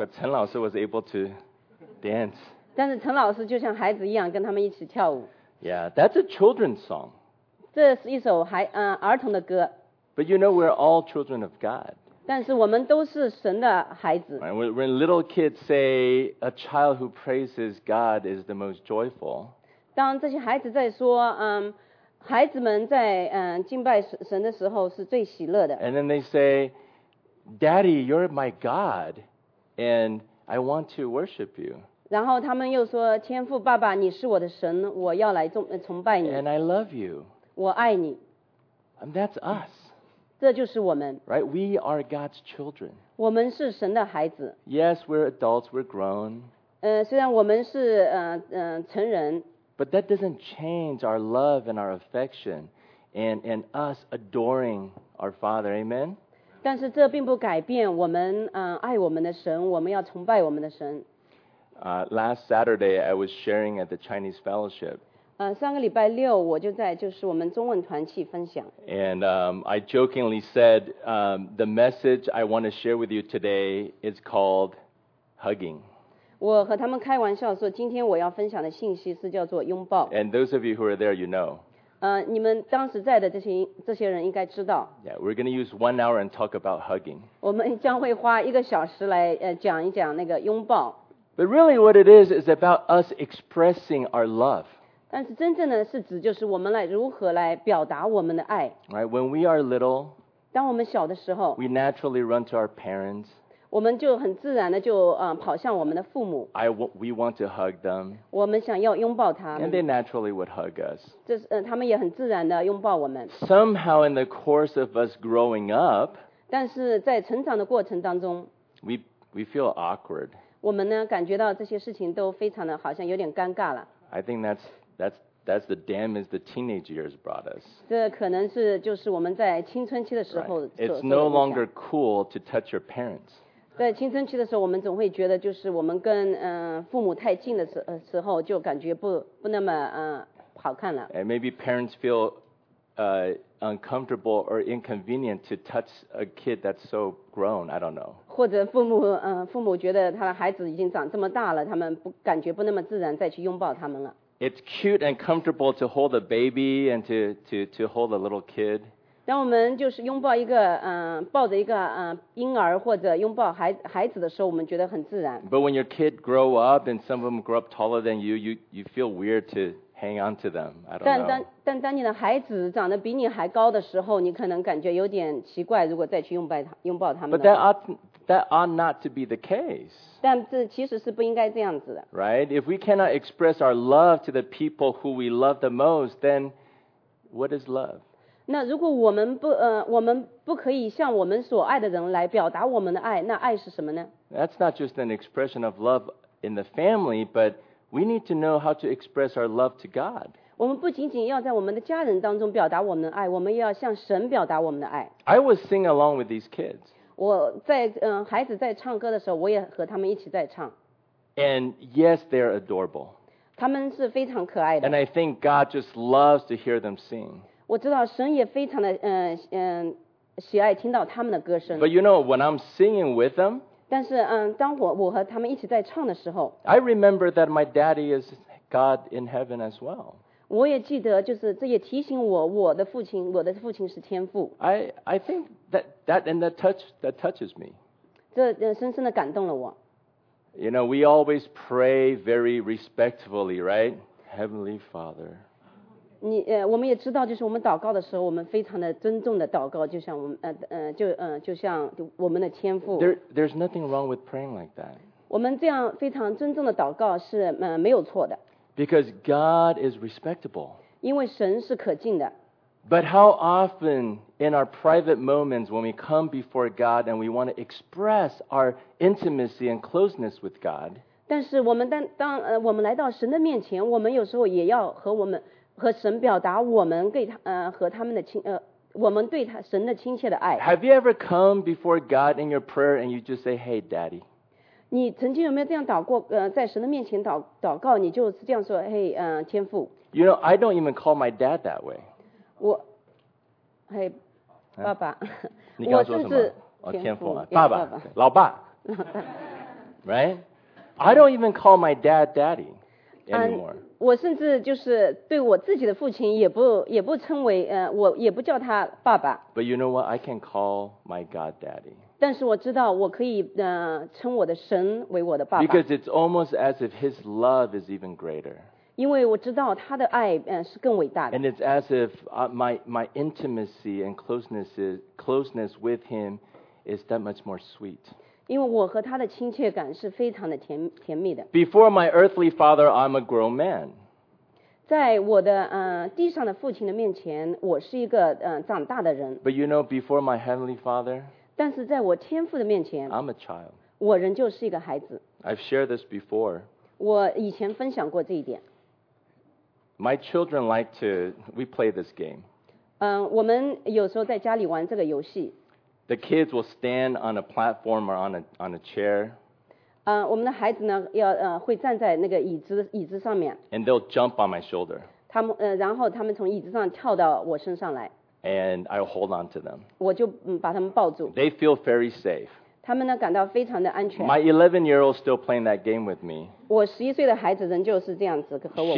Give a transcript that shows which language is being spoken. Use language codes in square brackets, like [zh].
[en] But 陈老师 was able to dance. [zh] 但是陈老师就像孩子一样跟他们一起跳舞 [en] Yeah, that's a children's song. [zh] 这是一首儿童的歌。 [en] But you know we're all children of God. [zh] 但是我们都是神的孩子。 [en] When little kids say a child who praises God is the most joyful. [zh] 当这些孩子在说，孩子们在敬拜神的时候是最喜乐的。 [en] And then they say, Daddy, you're my God, and I want to worship you. [zh] 然后他们又说，天父爸爸，你是我的神，我要来崇拜你。 [en] And I love you. [zh] 我爱你。 [en] And that's us. [zh] 这就是我们。 [en] Right? We are God's children. [zh] 我们是神的孩子。 [en] Yes, we're adults, we're grown. [zh] 虽然我们是成人。 [en] But that doesn't change our love and our affection and us adoring our Father. Amen? [zh] 但是这并不改变我们爱我们的神，我们要崇拜我们的神。 [en] Last Saturday, I was sharing at the Chinese Fellowship. [zh] 上个礼拜六我就在就是我们中文团契分享 [en] And I jokingly said the message I want to share with you today is called hugging [zh] 我和他们开玩笑说今天我要分享的信息是叫做拥抱 [en] And those of you who are there you know [zh] 你们当时在的这些人应该知道 [en] Yeah, we're going to use 1 hour and talk about hugging [zh] 我们将会花一个小时来讲一讲那个拥抱 [en] But really what it is about us expressing our love [zh] 但是真正的是指就是我们来如何来表达我们的爱。 [en] Right, when we are little, [zh] 当我们小的时候 [en] we naturally run to our parents. [zh] 我们就很自然的就跑向我们的父母。 [en] We want to hug them. [zh] 我们想要拥抱他们。 [en] And they naturally would hug us. [zh] 他们也很自然的拥抱我们。 [en] Somehow in the course of us growing up, [zh] 但是在成长的过程当中 [en] we feel awkward. [zh] 我们呢感觉到这些事情都非常的好像有点尴尬了。 [en] I think that's the damage the teenage years brought us. [zh] 这可能是就是我们在青春期的时候。 [en] It's no longer cool to touch your parents. [zh] 在青春期的时候，我们总会觉得就是我们跟父母太近的时候，就感觉不那么好看了。 [en] And maybe parents feel uncomfortable or inconvenient to touch a kid that's so grown. I don't know. [zh] 或者父母觉得他的孩子已经长这么大了，他们不感觉不那么自然再去拥抱他们了。 [en] It's cute and comfortable to hold a baby and to hold a little kid. [zh] 当我们就是拥抱一个抱着一个婴儿或者拥抱孩子的时候，我们觉得很自然。 [en] But when your kid grow up and some of them grow up taller than you, you feel weird to hang on to them. I don't know. [zh] 但当你的孩子长得比你还高的时候，你可能感觉有点奇怪，如果再去拥抱他们。 [en] But that ought not to be the case. [zh] 但这其实是不应该这样子的。 [en] Right? If we cannot express our love to the people who we love the most, then what is love? [zh] 那如果我们不可以向我们所爱的人来表达我们的爱，那爱是什么呢？ [en] That's not just an expression of love in the family, but we need to know how to express our love to God. [zh] 我们不仅仅要在我们的家人当中表达我们的爱，我们要向神表达我们的爱。 [en] I was singing along with these kids. [zh] 我在孩子在唱歌的时候，我也和他们一起在唱。 [en] And yes, they're adorable. [zh] 他们是非常可爱的。 [en] And I think God just loves to hear them sing. [zh] 我知道神也非常的喜爱听到他们的歌声。 [en] But you know, when I'm singing with them, [zh] 但是当我和他们一起在唱的时候 [en] I remember that my daddy is God in heaven as well. [zh] 我也记得就是这也提醒我我的父亲是天父。 [en] I think that touches me. [zh] 这深深地感动了我。 [en] You know, we always pray very respectfully, right? Heavenly Father. [zh] 你我们也知道，就是我们祷告的时候，我们非常的尊重的祷告，就像我们就像我们的天父。 [en] There's nothing wrong with praying like that. [zh] 我们这样非常尊重的祷告是没有错的。 [en] Because God is respectable. [zh] 因为神是可敬的。 [en] But how often in our private moments when we come before God and we want to express our intimacy and closeness with God? [zh] 但是我们当我们来到神的面前，我们有时候也要和我们和神表达我们给他和他们的亲我们对他神的亲切的爱。 [en] Have you ever come before God in your prayer and you just say, "Hey, Daddy"? [zh] 你曾经有没有这样祷过？在神的面前祷告，你就是这样说：“嘿，天父。” [en] You know, I don't even call my dad that way. [zh] 我，嘿，爸爸。你刚说什么？天父啊，爸爸，老爸。 [en] Right? I don't even call my dad daddy anymore. [zh] 我甚至就是对我自己的父亲也不称为我也不叫他爸爸。 [en] But you know what? I can call my God daddy. [zh] 但是我知道我可以称我的神为我的爸爸。 [en] Because it's almost as if his love is even greater. [zh] 因为我知道他的爱是更伟大的。 [en] And it's as if my intimacy and closeness with him is that much more sweet. [zh] 因为我和他的亲切感是非常的甜蜜的。 [en] Before my earthly father, I'm a grown man. [zh] 在我的地上的父亲的面前，我是一个长大的人。 [en] But you know, before my heavenly father, [zh] 但是在我天父的面前 [en] ，I'm a child. [zh] 我仍旧是一个孩子。 [en] I've shared this before. [zh] 我以前分享过这一点。 [en] My children like to we play this game. [zh] 我们有时候在家里玩这个游戏。 [en] The kids will stand on a platform or on a chair. [zh] 我们的孩子呢要会站在那个椅子上面。 [en] And they'll jump on my shoulder. [zh] 他们然后他们从椅子上跳到我身上来。 [en] And I'll hold on to them. [zh] 我就把他们抱住。 [en] They feel very safe. [zh] 他们呢感到非常的安全。 [en] My 11-year-old still playing that game with me. [zh] 我11岁的孩子仍旧是这样子和我玩。